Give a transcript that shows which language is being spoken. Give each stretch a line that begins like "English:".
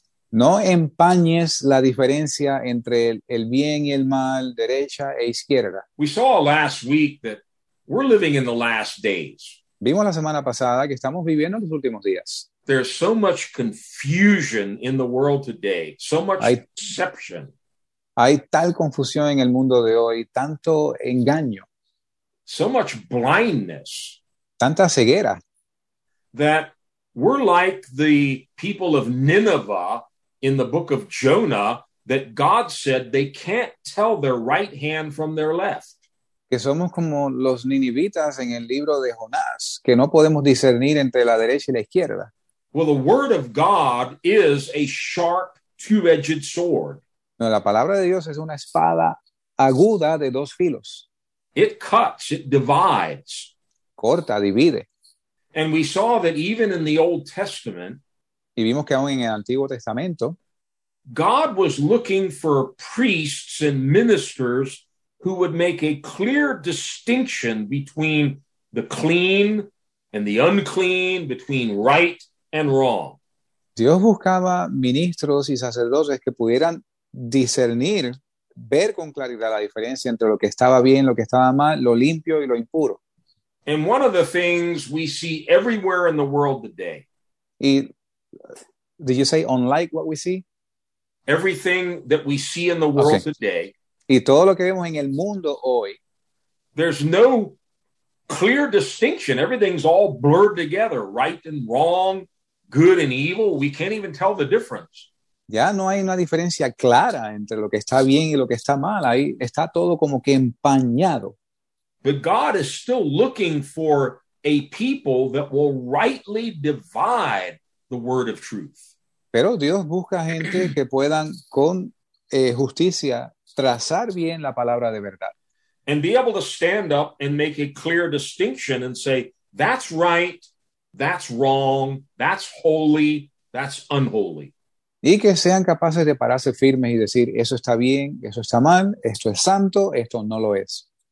Spanish: No empañes la diferencia entre el bien y el mal, derecha e izquierda.
English: We saw last week that we're living in the last days.
Spanish: Vimos la semana pasada que estamos viviendo los últimos días.
English: There's so much confusion in the world today, so much deception.
Spanish: Hay tal confusión en el mundo de hoy, tanto engaño.
English: So much blindness.
Spanish: Tanta ceguera.
English: That we're like the people of Nineveh in the book of Jonah, that God said they can't tell their right hand from their left.
Spanish: Que somos como los ninivitas en el libro de Jonás, que no podemos discernir entre la derecha y la izquierda.
English: Well, the word of God is a sharp, two-edged sword.
Spanish: No, la palabra de Dios es una espada aguda de dos filos.
English: It cuts, it divides.
Spanish: Corta, divide.
English: And we saw that even in the Old Testament,
Spanish: y vimos que aún en el Antiguo Testamento,
English: God was looking for priests and ministers who would make a clear distinction between the clean and the unclean, between right and wrong.
Spanish: Dios buscaba ministros y sacerdotes que pudieran discernir, ver con claridad la diferencia entre lo que estaba bien, lo que estaba mal, lo limpio y lo impuro.
English: And one of the things we see everywhere in the world today. Y, did you say unlike what we see? Everything that we see in the world today.
Spanish: Y todo lo que vemos en el mundo hoy.
English: There's no clear distinction. Everything's all blurred together, right and wrong, good and evil. We can't even tell the difference.
Spanish: Ya no hay una diferencia clara entre lo que está bien y lo que está mal. Ahí está todo como que empañado.
English: But God is still looking for a people that will rightly divide the word of truth.
Spanish: Pero Dios busca gente que puedan con justicia trazar bien la palabra de verdad.
English: And be able to stand up and make a clear distinction and say, that's right, that's wrong, that's holy, that's unholy.
Spanish: Y que sean capaces de pararse firmes y decir, eso está bien, eso está mal, esto es santo, esto no lo es.